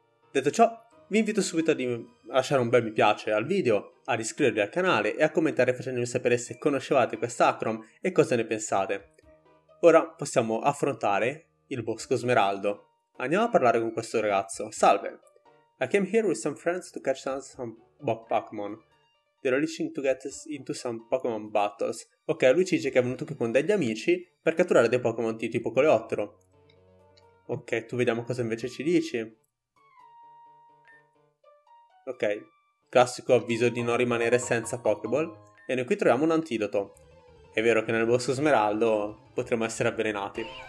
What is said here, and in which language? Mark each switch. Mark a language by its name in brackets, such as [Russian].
[Italian] Detto ciò, vi invito subito a lasciare un bel mi piace al video, ad iscrivervi al canale e a commentare facendomi sapere se conoscevate questa hack ROM e cosa ne pensate. Ora possiamo affrontare il Bosco Smeraldo. Andiamo a parlare con questo ragazzo. Salve! [English] I came here with some friends to catch some Pokémon. They're reaching to get into some Pokémon battles. [Italian] Ok, lui ci dice che è venuto qui con degli amici per catturare dei Pokémon tipo coleottero. Ok, tu vediamo cosa invece ci dici. Ok, classico avviso di non rimanere senza Pokéball. E noi qui troviamo un antidoto. È vero che nel Bosco Smeraldo potremmo essere avvelenati.